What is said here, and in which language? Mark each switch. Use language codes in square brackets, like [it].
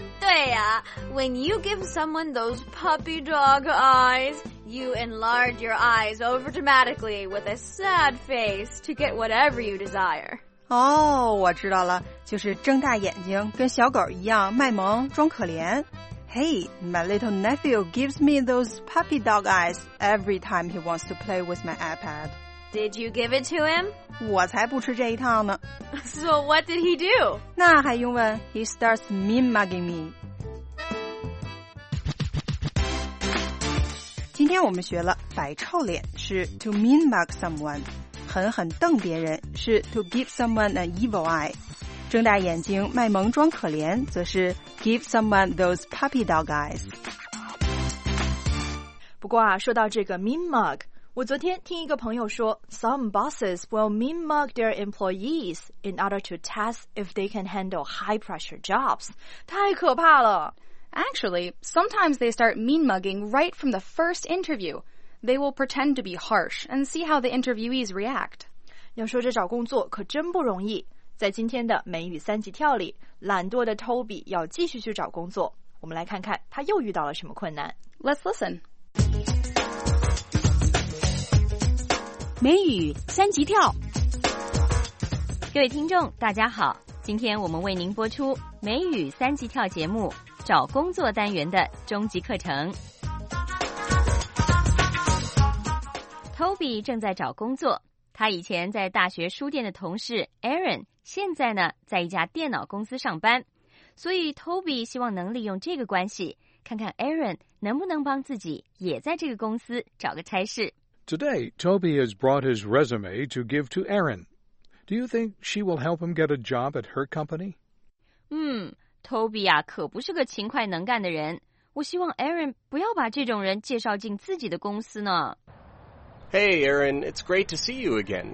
[zh] 对呀、 [en] when you give someone those puppy dog eyes, you enlarge your eyes over dramatically with a sad face to get whatever you desire. [zh] 哦，我知道了，就是睁大眼睛，跟小狗一样卖萌装可怜。 [en] Hey, my little nephew gives me those puppy dog eyes every time he wants to play with my iPad. Did you give it to him? [zh] 我才不吃这一套呢。 [en] So what did he do? [zh] 那还用问？ [en] He starts mean mugging me. [zh] 今天我们学了摆臭脸是 [en] to mean mug someone， [zh] 狠狠瞪别人是 [en] to give someone an evil eye。 [zh] 睁大眼睛卖萌装可怜则是 [en] give someone those puppy dog eyes。 [zh] 不过啊，说到这个 [en] mean mug， [zh] 我昨天听一个朋友说 [en] some bosses will mean mug their employees in order to test if they can handle high pressure jobs。 [zh] 太可怕了。 [en] Actually, sometimes they start mean mugging right from the first interview. They will pretend to be harsh and see how the interviewees react。 [zh] 要说这找工作可真不容易，在今天的美语三级跳里，懒惰的 Toby 要继续去找工作。我们来看看他又遇到了什么困难。 [en] Let's listen. [zh] 美语三级跳。各位听众，大家好，今天我们为您播出美语三级跳节目找工作单元的终极课程。 Toby 正在找工作，他以前在大学书店的同事 Aaron。现在呢，在一家电脑公司上班，所以 Toby 希望能利用这个关系，看看 Aaron 能不能帮自己也在这个公司找个差事。 [en] Today, Toby has brought his resume to give to Aaron. Do you think she will help him get a job at her company? [zh] Toby 啊，可不是个勤快能干的人。我希望 Aaron 不要把这种人介绍进自己的公司呢。 [en] Hey, Aaron, it's great to see you again.